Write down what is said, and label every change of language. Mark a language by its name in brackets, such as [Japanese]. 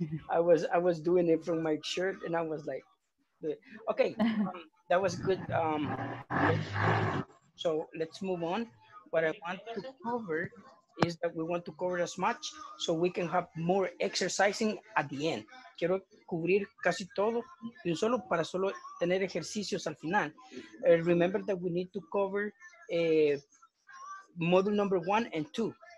[English] I was doing it from my shirt, and I was like, okay, that was good. So let's move on. What I want to cover is that we want to cover as much so we can have more exercising at the end. [Spanish] Quiero cubrir casi todo y solo para solo tener ejercicios al final. [English] Remember that we need to cover module number 1 and 2.